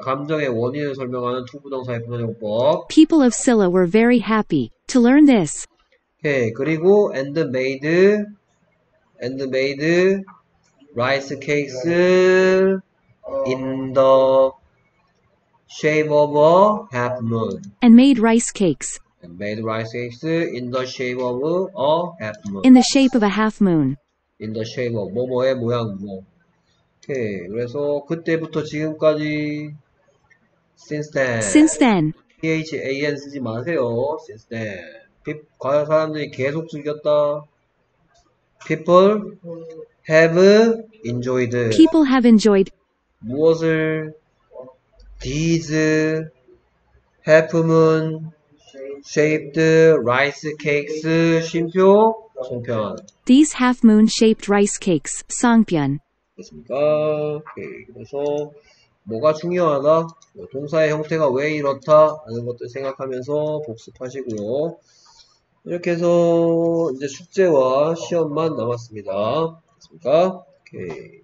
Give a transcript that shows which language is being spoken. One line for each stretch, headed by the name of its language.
Korean: 감정의 원인을 설명하는 투부정사의 부사제공법.
English: People of Scylla were very happy. To learn this. Okay,
Korean: 그리고
English: and made rice cakes in the shape of a half moon. And made rice cakes Made rice cakes in the shape of a half in moon. the shape of a half moon. In the shape of
Korean: 뭐뭐의 모양 뭐. 오케이. 그래서 그때부터 지금까지
English: since then. Since then, than
Korean: 쓰지 마세요.
English: since then.
Korean: 과연 사람들이 계속 즐겼다.
English: People have enjoyed. people have enjoyed.
Korean: 무엇을
English: these half moon shaped rice cakes 쉼표 송편 These half moon shaped rice cakes, 쌍변.
Korean: 됐습니까? 오케이. 그래서 뭐가 중요하다? 동사의 형태가 왜 이렇다? 라는 것들 생각하면서 복습하시고요. 이렇게 해서 이제 숙제와 시험만 남았습니다. 됐습니까? 오케이.